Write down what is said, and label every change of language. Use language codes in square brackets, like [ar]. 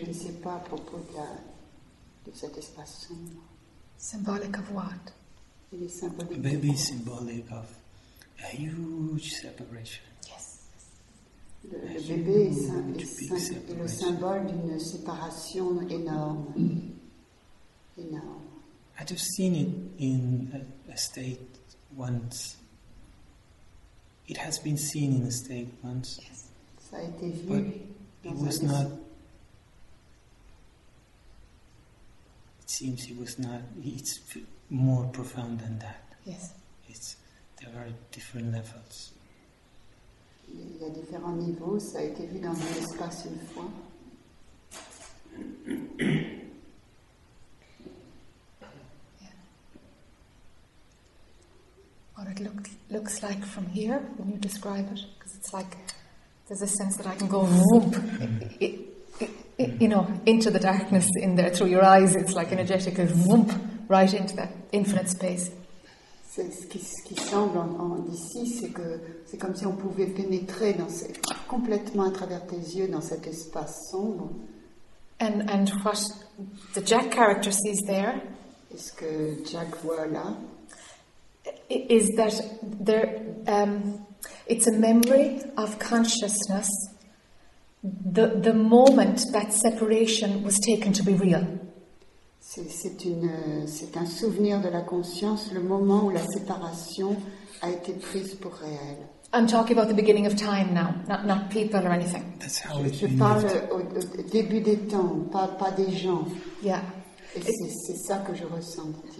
[fr] Je ne sais pas à propos de cet espace sombre. [en] Symbolic of what? [fr] Il est symbolique. [en] The baby is symbolic of a huge separation. [fr] Le bébé est le symbole d'une séparation énorme. [en] I just seen it in a state once. It has been seen in a state once. [fr] Yes. Ça a été vu. [en] But it was not. It seems it was not. It's more profound than that. Yes. It's there are different levels. [fr] Il y a différents niveaux, ça a été vu dans un espace une fois. [en] What it looks like from here, when you describe it, because it's like there's a sense that I can go whoop, you know, into the darkness in there through your eyes. It's like energetic, whoop, right into that infinite space. [fr] C'est ce qui semble en d'ici, c'est que c'est comme si on pouvait pénétrer dans ces, complètement à travers tes yeux dans cet espace sombre. [en] And what the Jack character sees there? [fr] Est-ce que Jack voit là? [en] Is that there? It's a memory of consciousness. The moment that separation was taken to be real. [fr] C'est un souvenir de la conscience, le moment où la séparation a été prise pour réelle. [en] I'm talking about the beginning of time now, not people or anything. That's how it [fr] Je parle au début des temps, pas des gens. [en] Yeah. [fr] Et c'est ça que je ressens.